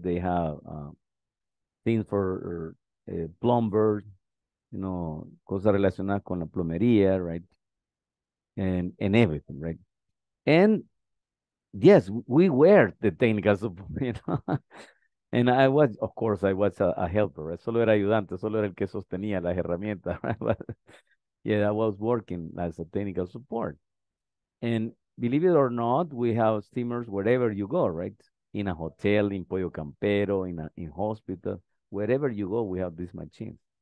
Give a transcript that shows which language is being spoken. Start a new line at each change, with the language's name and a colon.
English: They have things for plumber, you know,
Spanish: cosas relacionadas con la plomería,
English: right? And everything, right? And yes, we were the technical support, you know? And I was, of course, I was a helper, right?
Spanish: Solo era ayudante, solo era el que sostenía las herramientas, right?
English: But yeah, I was working as a technical support. And believe it or not, we have steamers wherever you go, right? In a hotel, in Pollo Campero, in hospital, wherever you go, we have this machine.